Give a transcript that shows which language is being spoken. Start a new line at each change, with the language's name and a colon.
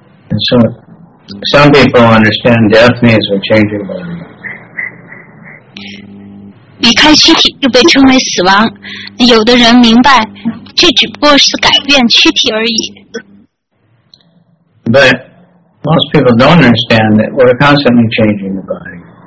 English: And so some people understand death means a change of body.
Chinese: 离开躯体又被称为死亡 有的人明白这只不过是改变躯体而已
English: But most people don't understand that we're constantly changing the body.